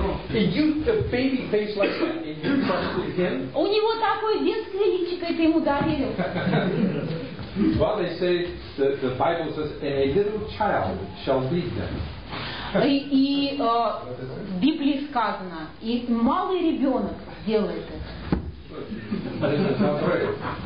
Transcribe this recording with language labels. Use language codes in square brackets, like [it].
[en] You, the baby face like that, and you trusted him? [ru] У него такое детское личико, и ты ему доверил. [en] Well, they say, the Bible says, and a little child shall lead them. [ru] И в Библии сказано, и малый ребенок сделает это.